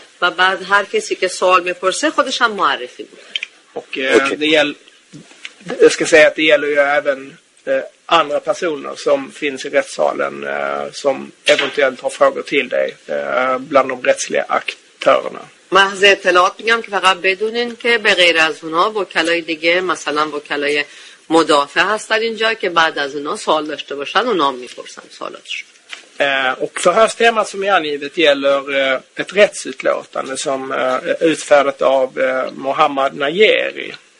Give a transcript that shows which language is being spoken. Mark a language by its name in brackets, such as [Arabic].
[Persian] Va ba'd har kesi ke soal meporse, khodesh ham muarefi bude. [Swedish] Och det gäller, jag ska säga att det gäller ju även andra personer som finns i rättssalen som eventuellt har frågor till dig bland de rättsliga aktörerna. [Persian] محض اطلاعات میگم که فقط بدونین که به غیر از اونها وکلای دیگه مثلا وکلای مدافع هستن اینجا که بعد از اونها سوال داشته باشن اونها میپرسن سوالاتش. [Swedish] Och förhörstemat som är angivet gäller ett rättsutlåtande som utfärdat av Mohammad Najeri.